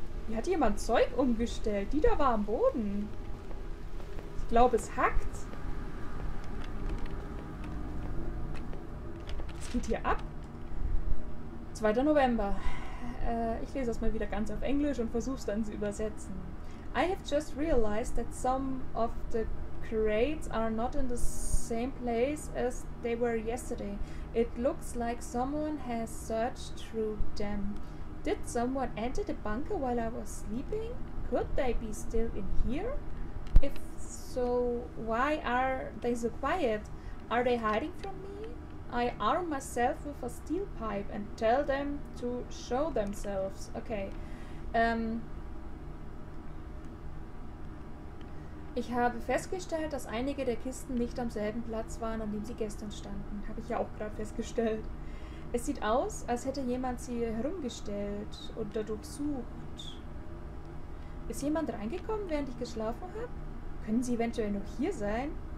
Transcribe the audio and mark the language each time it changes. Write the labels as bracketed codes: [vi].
[de] Hier hat jemand Zeug umgestellt. Die da war am Boden. Ich glaube, es hackt. Was geht hier ab? 2. November. Ich lese das mal wieder ganz auf Englisch und versuch's dann zu übersetzen. [en] I have just realized that some of the crates are not in the same place as they were yesterday. It looks like someone has searched through them. Did someone enter the bunker while I was sleeping? Could they be still in here? If so, why are they so quiet? Are they hiding from me? I arm myself with a steel pipe and tell them to show themselves. Okay. [de] Ich habe festgestellt, dass einige der Kisten nicht am selben Platz waren, an dem sie gestern standen. Habe ich ja auch gerade festgestellt. Es sieht aus, als hätte jemand sie herumgestellt oder durchsucht. Ist jemand reingekommen, während ich geschlafen habe? Können sie eventuell noch hier sein?